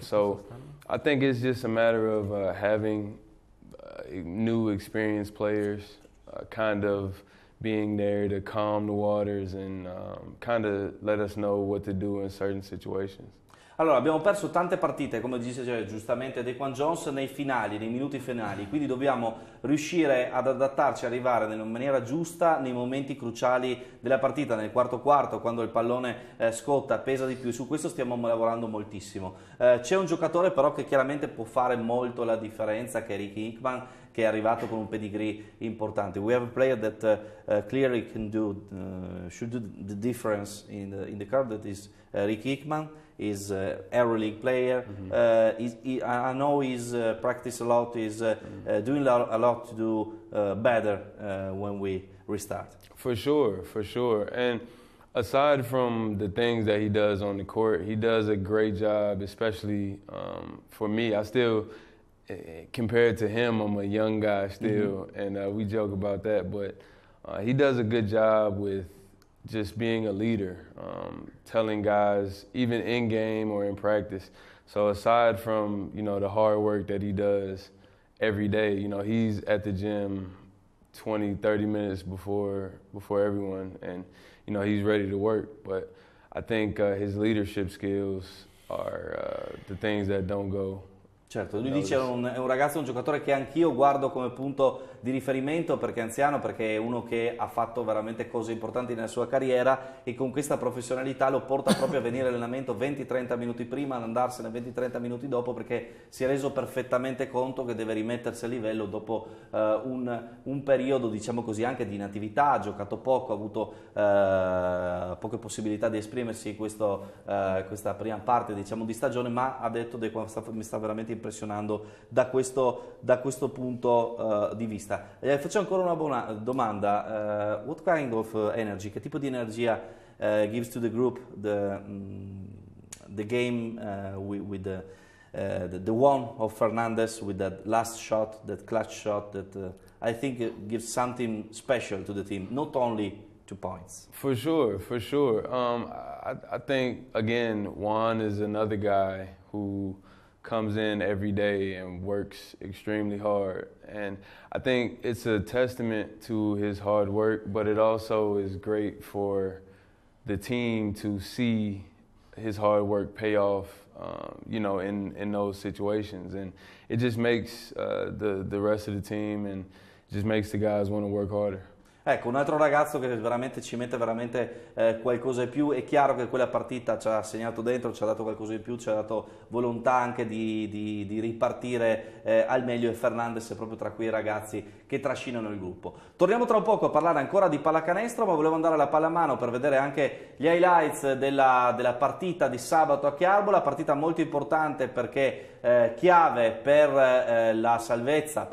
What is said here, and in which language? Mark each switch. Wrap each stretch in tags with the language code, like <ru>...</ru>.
<en>So I think it's just a matter of having new experienced players kind of being there to calm the waters and kind of let us know what to do in certain situations.</en> <it>Allora, abbiamo perso tante partite, come diceva giustamente Daquan Jones, nei finali, nei minuti finali, quindi dobbiamo riuscire ad adattarci, arrivare nella maniera giusta nei momenti cruciali della partita, nel quarto quarto, quando il pallone scotta, pesa di più, su questo stiamo lavorando moltissimo. C'è un giocatore però che chiaramente può fare molto la differenza, che è Rick Hickman, che è arrivato con un pedigree importante.</it> <en>We have a player that clearly can do, should do the difference in the curve, that is Rick Hickman. Is EuroLeague player. Mm-hmm. I know he's practiced a lot. He's doing a lot to do better when we restart. For sure, for sure. And aside from the things that he does on the court, he does a great job, especially for me. I still, compared to him, I'm a young guy still, mm-hmm. and we joke about that. But he does a good job with just being a leader, telling guys, even in game or in practice. So aside from, you know, the hard work that he does every day, you know, he's at the gym 20, 30 minutes before everyone, and, you know, he's ready to work. But I think his leadership skills are the things that don't go.</en> <it>Certo, lui dice è un ragazzo, un giocatore che anch'io guardo come punto di riferimento, perché è anziano, perché è uno che ha fatto veramente cose importanti nella sua carriera e con questa professionalità lo porta proprio a venire all'allenamento 20-30 minuti prima, ad andarsene 20-30 minuti dopo, perché si è reso perfettamente conto che deve rimettersi a livello dopo un periodo, diciamo così, anche di inattività. Ha giocato poco, ha avuto poche possibilità di esprimersi in questa prima parte, diciamo, di stagione, ma ha detto che mi sta veramente impressionando da questo punto di vista. Faccio ancora una buona domanda.</it> <en>What kind of energy?</en> <it>Che tipo di energia</it> <en>gives to the group the game with the one of Fernandez with that last shot, that clutch shot that I think gives something special to the team, not only 2 points. For sure, for sure. I think again Juan is another guy who comes in every day and works extremely hard. And I think it's a testament to his hard work, but it also is great for the team to see his hard work pay off, you know, in those situations. And it just makes the rest of the team and just makes the guys want to work harder.</en> <it>Ecco, un altro ragazzo che veramente ci mette veramente qualcosa in più. È chiaro che quella partita ci ha segnato dentro, ci ha dato qualcosa in più, ci ha dato volontà anche di ripartire al meglio, e Fernandez è proprio tra quei ragazzi che trascinano il gruppo. Torniamo tra un poco a parlare ancora di pallacanestro, ma volevo andare alla palla a mano per vedere anche gli highlights della partita di sabato a Chiarbo, la partita molto importante perché chiave per la salvezza.</it>